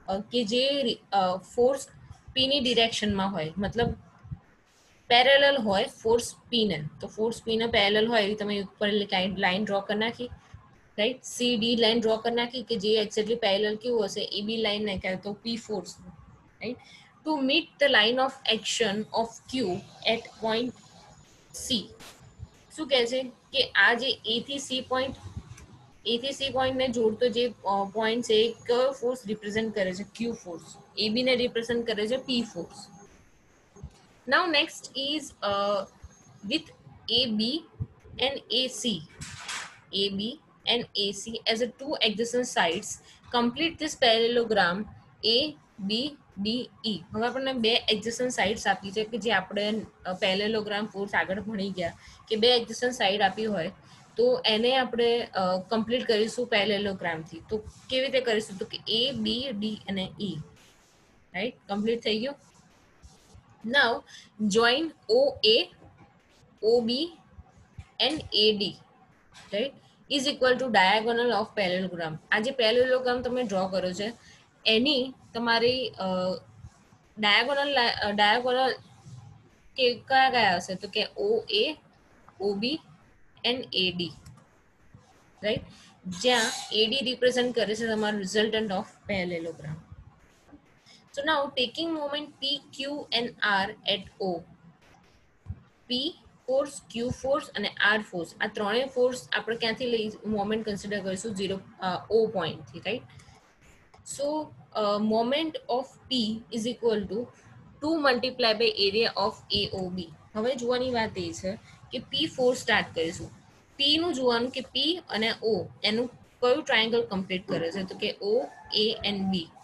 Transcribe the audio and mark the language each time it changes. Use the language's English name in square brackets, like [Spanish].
[Gujarati] કે જે ફોર્સ પીની ડિરેક્શનમાં હોય, મતલબ પેરેલલ હોય ફોર્સ પીને, તો ફોર્સ પીને પેરેલલ હોય એવી તમે ઉપર લાઈન ડ્રો કરી નાખી, right, C D line draw કરી નાખી કે જે એક્ઝેક્ટલી પેરેલલ કેવું હશે, એ બી લાઈન ને કહેવાય તો પી force, right, [English] To meet the line of action of Q at point C. [Gujarati] શું કહે છે કે આ જે એ થી સી પોઈન્ટ ને જોડતો જે પોઈન્ટ છે એ કયો ફોર્સ રિપ્રેઝન્ટ કરે છે? ક્યુ ફોર્સ. એ બી ને રિપ્રેઝન્ટ કરે છે પી force. [English] Now next is with AB and AC, AB and AC as a two adjacent sides, complete this parallelogram ABDE. [Gujarati] હવે આપણે બે એડજસન્ટ સાઇડ્સ આપી છે કે જે આપણે પેરેલોગ્રામ ફોર્સ આગળ ભણી ગયા કે બે એડજસન્ટ સાઇડ આપી હોય તો એને આપણે કમ્પ્લીટ કરીશું પેરેલોગ્રામથી. તો કેવી રીતે કરીશું? તો કે A, B, D અને E, રાઈટ, કમ્પ્લીટ થઈ ગયું. [English] Now join OA, OB and AD, right, is equal to diagonal of parallelogram. [Gujarati] આ જે પેરેલોગ્રામ તમે ડ્રો કરો છો એની તમારી ડાયાગોનલ ડાયાગોનલ કે કયા કયા હશે? તો કે [English] OA, OB and AD, right, [Gujarati] જ્યાં AD રિપ્રેઝન્ટ કરે છે તમારું resultant of પેરેલોગ્રામ. [English] So now taking moment P, Q and R at O, P force, Q force and R force, [Gujarati] આ ત્રણે ફોર્સ આપણે ક્યાંથી લઈ મોમેન્ટ કન્સિડર કરીશું? ઝીરો ઓ પોઈન્ટથી, right. [English] So moment of P is equal to 2 multiply by area of A O B. [Gujarati] હવે જોવાની વાત એ છે કે P ફોર્સ સ્ટાર્ટ કરીશું, P નું જોવાનું કે P અને O એનું કયું ટ્રાયંગલ કમ્પ્લીટ કરે છે, તો કે O, A એન્ડ B.